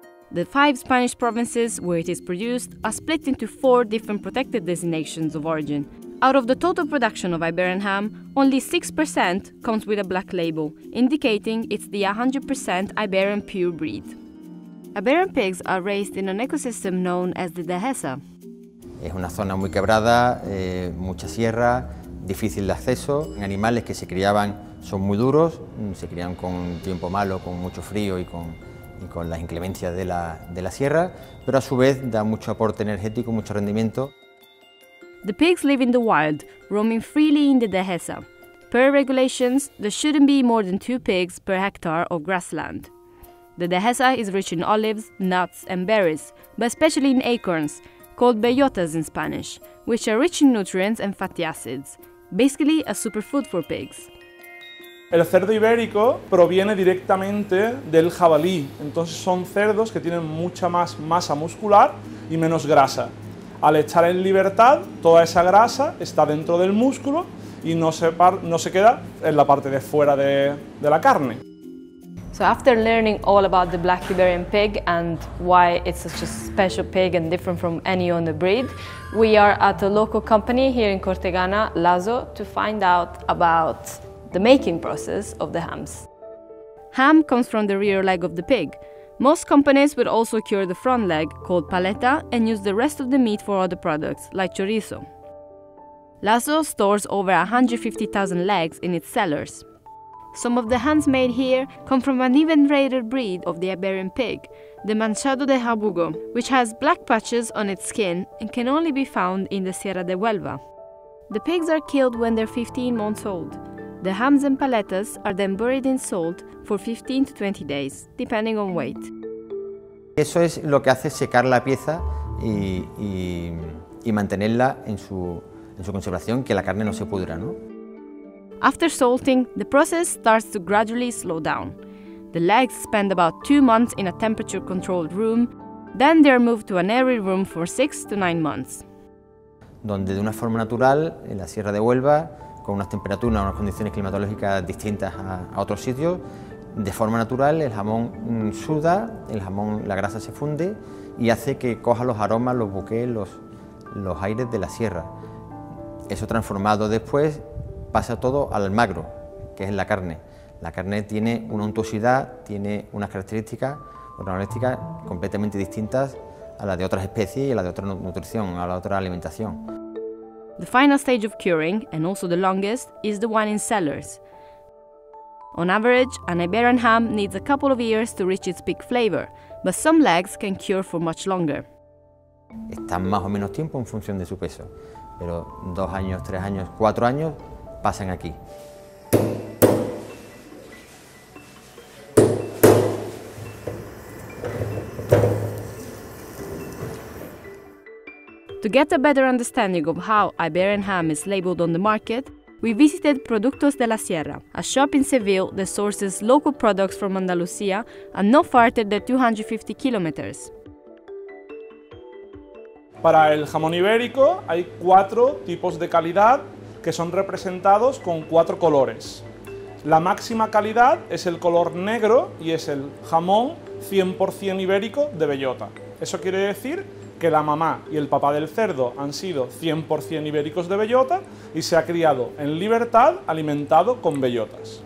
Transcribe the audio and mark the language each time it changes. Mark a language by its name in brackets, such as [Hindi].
[English] The five Spanish provinces where it is produced are split into four different protected designations of origin. Out of the total production of Iberian ham, only 6% comes with a black label, indicating it's the 100% Iberian pure breed. Iberian pigs are raised in an ecosystem known as the Dehesa. [Spanish] Es una zona muy quebrada, mucha sierra, difícil de acceso. Animales que se criaban son muy duros, se crían con tiempo malo, con mucho frío y con las inclemencias de la sierra, pero a su vez da mucho aporte energético, mucho rendimiento. [English] The pigs live in the wild, roaming freely in the Dehesa. Per regulations, there shouldn't be more than 2 pigs per hectare of grassland. The Dehesa is rich in olives, nuts and berries, but especially in acorns, called bellotas in Spanish, which are rich in nutrients and fatty acids, basically a superfood for pigs. [Spanish] El cerdo ibérico proviene directamente del jabalí, entonces son cerdos que tienen mucha más masa muscular y menos grasa. Al echar en libertad, toda esa grasa está dentro del músculo y no se queda en la parte de fuera de la carne. [English] So after learning all about the Black Iberian pig and why it's such a special pig and different from any other breed, we are at a local company here in Cortegana, Lazo, to find out about the making process of the hams. Ham comes from the rear leg of the pig. Most companies would also cure the front leg, called paleta, and use the rest of the meat for other products, like chorizo. Lasso stores over 150,000 legs in its cellars. Some of the hands made here come from an even rarer breed of the Iberian pig, the Manchado de Jabugo, which has black patches on its skin and can only be found in the Sierra de Huelva. The pigs are killed when they're 15 months old. The hams and paletas are then buried in salt for 15 to 20 days, depending on weight. [Spanish] Eso es lo que hace secar la pieza y mantenerla en su conservación, que la carne no se pudra, ¿no? [English] After salting, the process starts to gradually slow down. The legs spend about 2 months in a temperature-controlled room, then they are moved to an airy room for 6 to 9 months. [Spanish] Donde de una forma natural, en la Sierra de Huelva, con unas temperaturas, unas condiciones climatológicas distintas a otros sitios, de forma natural el jamón suda, el jamón, la grasa se funde y hace que coja los aromas, los bouquets, los aires de la sierra. Eso transformado después pasa todo al magro, que es la carne. La carne tiene una untuosidad, tiene unas características organolépticas completamente distintas a las de otras especies y a las de otra nutrición, a la otra alimentación. [English] The final stage of curing, and also the longest, is the one in cellars. On average, an Iberian ham needs a couple of years to reach its peak flavor, but some legs can cure for much longer. [Spanish] Están más o menos tiempo en función de su peso, pero 2 años, 3 años, 4 años pasan aquí. [English] To get a better understanding of how Iberian ham is labeled on the market, we visited Productos de la Sierra, a shop in Seville that sources local products from Andalusia and no farther than 250 kilometers. [Spanish] Para el jamón ibérico hay 4 tipos de calidad que son representados con 4 colores. La máxima calidad es el color negro y es el jamón 100% ibérico de bellota. Eso quiere decir que la mamá y el papá del cerdo han sido 100% ibéricos de bellota y se ha criado en libertad alimentado con bellotas.